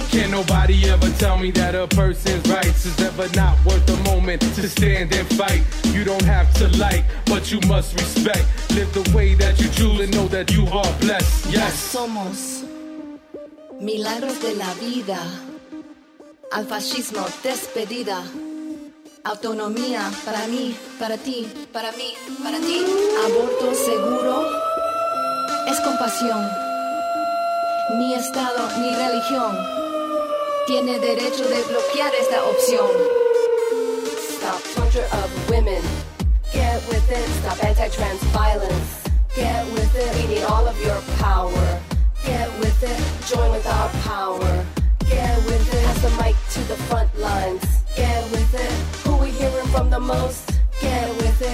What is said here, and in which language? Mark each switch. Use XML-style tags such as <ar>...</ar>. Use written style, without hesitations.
<en>Nobody ever tell me that a person's rights is ever not worth a moment to stand and fight. You don't have to like, but you must respect. Live the way that you truly know that you are blessed. Yes.</en> <es>Somos milagros de la vida. Al fascismo despedida. Autonomía para mí, para ti, para mí, para ti. Aborto seguro es compasión. Ni estado ni religión tiene derecho de bloquear esta opción.</es> <en>Stop torture of women. Get with it. Stop anti-trans violence. Get with it. We need all of your power. Get with it. Join with our power. Get with it. Pass the mic to the front lines. Get with it. Who we hearing from the most? Get with it.</en>